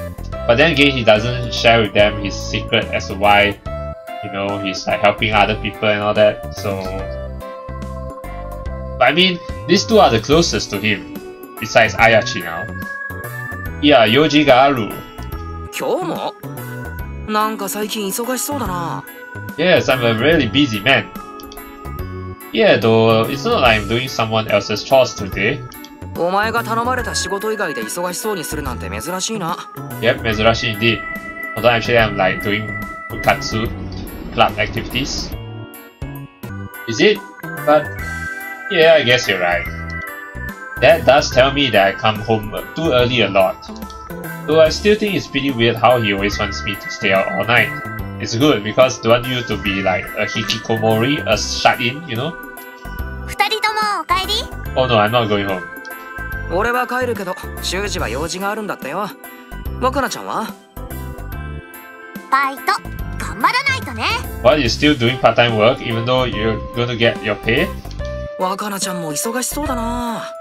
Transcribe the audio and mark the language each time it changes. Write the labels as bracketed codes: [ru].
[en] But then again, he doesn't share with them his secret as to why, you know, he's like helping other people and all that, so... But I mean, these two are the closest to him, besides Ayachi now. Yeah, Yoji ga aru. [ja] 今日も? なんか最近忙しそうだな。 [en] Yes, I'm a really busy man. Yeah, though, it's not like I'm doing someone else's chores today. [ja] お前が頼まれた仕事以外で忙しそうにするなんて珍しいな。 [en] Yep, 珍しい indeed. Although actually I'm like doing bukatsu club activities. Is it? But yeah, I guess you're right. That does tell me that I come home too early a lot. Though I still think it's pretty weird how he always wants me to stay out all night. It's good because I don't want you to be like a hikikomori, a shut-in, you know? [ja] 二人ともお帰り? [en] Oh no, I'm not going home. [ja] 俺は帰るけど、修二は用事があるんだったよ。わかなちゃんは? バイト、頑張らないとね! [en] What, you're still doing part-time work even though you're gonna get your pay? [ja] わかなちゃんも忙しそうだな。